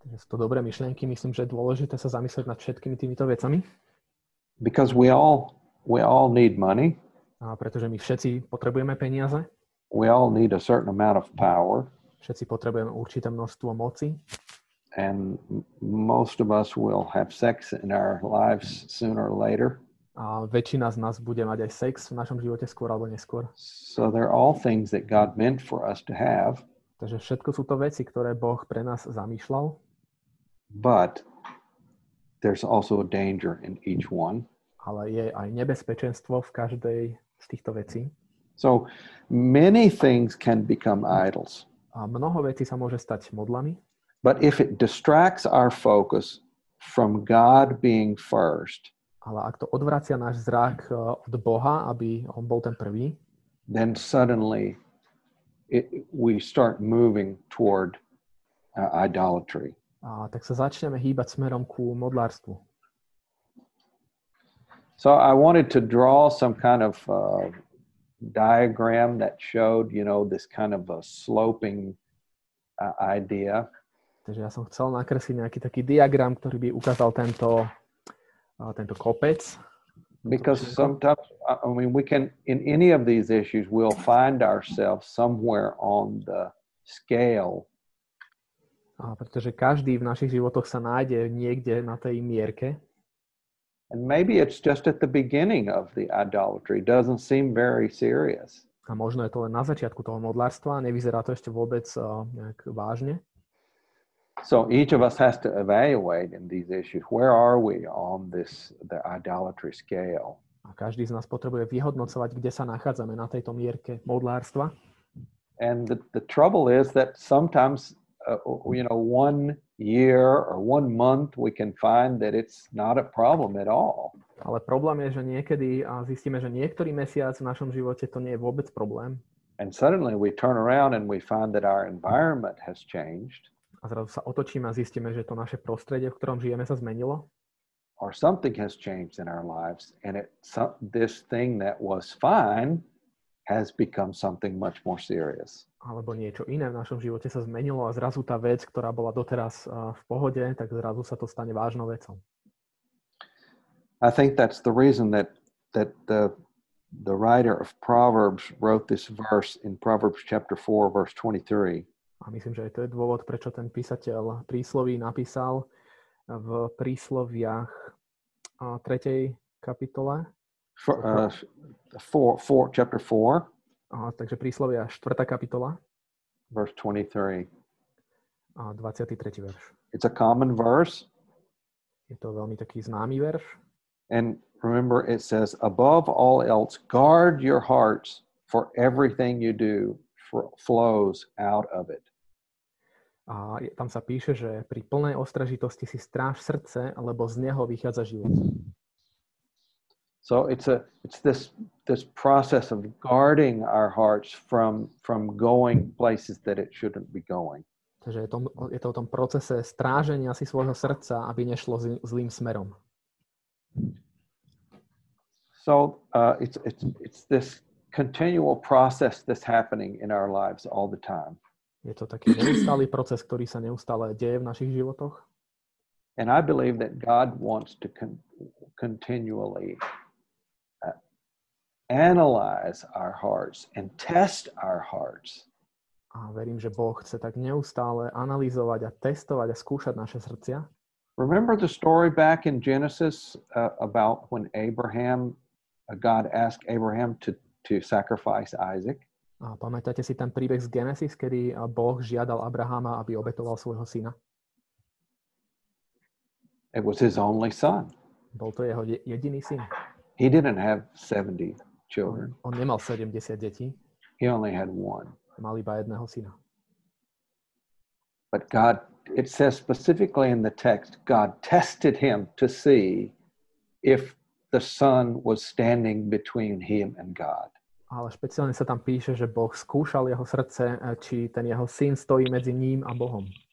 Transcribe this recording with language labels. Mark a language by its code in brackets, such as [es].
[sk] To dobré myšlienky, myslím, že je dôležité sa zamyslieť nad všetkými týmito vecami. [en] Because we all need money. [sk] A pretože my všetci potrebujeme peniaze. [en] We all need a certain amount of power. [sk] Všetci potrebujeme určité množstvo moci. [en] And most of us will have sex in our lives sooner or later. [sk] A väčšina z nás bude mať aj sex v našom živote skôr alebo neskôr. [en] So there are all things that God meant for us to have. [sk] Takže všetko sú to veci, ktoré Boh pre nás zamýšľal. [en] But there's also a danger in each one. [sk] Ale je aj nebezpečenstvo v každej z týchto vecí. [en] So many things can become idols. [sk] A mnoho vecí sa môže stať modlami. [en] But if it distracts our focus from God being first. [sk] Ale ak to odvracia náš zrak od Boha, aby on bol ten prvý, [en] then suddenly we start moving toward idolatry. [sk] A tak sa začneme hýbať smerom ku modlárstvu. [en] So I wanted to draw some kind of diagram that showed, you know, this kind of a sloping idea. [sk] Takže ja som chcel nakresliť nejaký taký diagram, ktorý by ukázal tento kopec. [en] Because sometimes, I mean, we can, in any of these issues, we'll find ourselves somewhere on the scale. [sk] A pretože každý v našich životoch sa nájde niekde na tej mierke. [en] And maybe it's just at the beginning of the idolatry. Doesn't seem very serious. [sk] A možno je to len na začiatku toho modlárstva. Nevyzerá to ešte vôbec nejak vážne. [en] So each of us has to evaluate in these issues. Where are we on the idolatry scale? [sk] A každý z nás potrebuje vyhodnocovať, kde sa nachádzame na tejto mierke modlárstva. [en] And the trouble is that sometimes you know, 1 year or 1 month we can find that it's not a problem at all. [sk] Ale problém je, že niekedy zistíme, že niektorý mesiac v našom živote to nie je vôbec problém. [en] And suddenly we turn around and we find that our environment has changed. [sk] A zrazu sa otočíme a zistíme, že to naše prostredie, v ktorom žijeme, sa zmenilo. [en] Or something has changed in our lives and this thing that was fine has become something much more serious. [sk] Alebo niečo iné v našom živote sa zmenilo a zrazu tá vec, ktorá bola doteraz v pohode, tak zrazu sa to stane vážnou vecou. [en] I think that's the reason that the writer of Proverbs wrote this verse in Proverbs chapter 4 verse 23. [sk] A myslím, že aj to je dôvod, prečo ten písateľ prísloví napísal v prísloviach tretej kapitole. [en] Chapter 4. [sk] Takže príslovia, štvrtá kapitola. [en] Verse 23. [sk] 23. verš. [en] It's a common verse. [sk] Je to veľmi taký známy verš. [en] And remember, it says, above all else, guard your hearts, for everything you do flows out of it. [sk] A tam sa píše, že pri plnej ostražitosti si stráž srdce, lebo z neho vychádza život. [en] So it's this process of guarding our hearts from going places that it shouldn't be going. [sk] Takže je to o tom procese stráženia si svojho srdca, aby nešlo zlým smerom. [en] So it's this continual process that's happening in our lives all the time. [sk] Je to taký neustály proces, ktorý sa neustále deje v našich životoch. [en] And I believe that God wants to continually analyze our hearts and test our hearts. [sk] A verím, že Boh chce tak neustále analyzovať a testovať a skúšať naše srdcia. [en] Remember the story back in Genesis about when Abraham, God asked Abraham to sacrifice Isaac. [sk] A pamätáte si ten príbeh z Genesis, kedy Boh žiadal Abrahama, aby obetoval svojho syna? [en] It was his only son. [sk] Bol to jeho jediný syn. [en] He didn't have 70 children. [sk] On nemal 70 detí. [en] He only had one. [sk] Mal iba jedného syna. [en] But God, it says specifically in the text, God tested him to see if the son was standing between him and God. [sk] Ale špeciálne sa tam píše, že Boh skúšal jeho srdce, či ten jeho syn stojí medzi ním a Bohom.